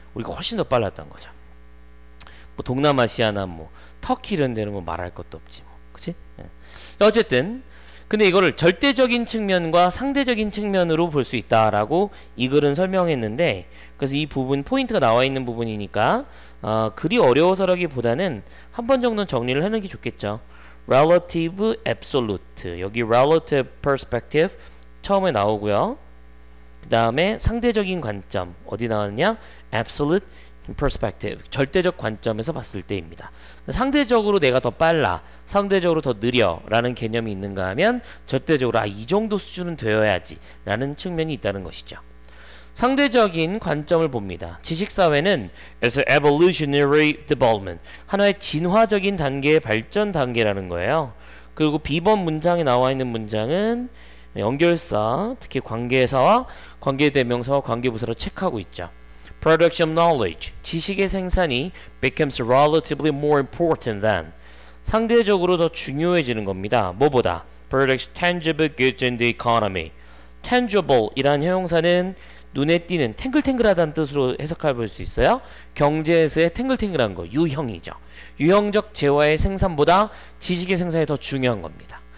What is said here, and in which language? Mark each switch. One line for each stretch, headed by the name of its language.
Korean: 우리가 훨씬 더 빨랐던 거죠. 뭐 동남아시아나 뭐 터키 이런 데는 뭐 말할 것도 없지 뭐. 그치? 어쨌든 근데 이거를 절대적인 측면과 상대적인 측면으로 볼 수 있다라고 이 글은 설명했는데 그래서 이 부분 포인트가 나와 있는 부분이니까 글이 어려워서라기보다는 한 번 정도는 정리를 해놓는 게 좋겠죠.
English: Relative Absolute 여기 Relative Perspective
Korean: 처음에 나오고요. 그 다음에 상대적인 관점 어디 나왔냐? Absolute Perspective 절대적 관점에서 봤을 때입니다. 상대적으로 내가 더 빨라 상대적으로 더 느려 라는 개념이 있는가 하면 절대적으로 아, 이 정도 수준은 되어야지 라는 측면이 있다는 것이죠. 상대적인 관점을 봅니다. 지식사회는
English: as an evolutionary development
Korean: 하나의 진화적인 단계의 발전 단계라는 거예요. 그리고 비번 문장에 나와 있는 문장은 연결사 특히 관계사와 관계대명사와 관계부사로 체크하고 있죠.
English: Production of knowledge
Korean: 지식의 생산이
English: becomes relatively more important than
Korean: 상대적으로 더 중요해지는 겁니다. 뭐보다
English: Production of tangible goods in the economy
Korean: tangible 이란 형용사는 눈에 띄는 탱글탱글하다는 뜻으로 해석해 볼 수 있어요. 경제에서의 탱글탱글한 거 유형이죠. 유형적 재화의 생산보다 지식의 생산이 더 중요한 겁니다.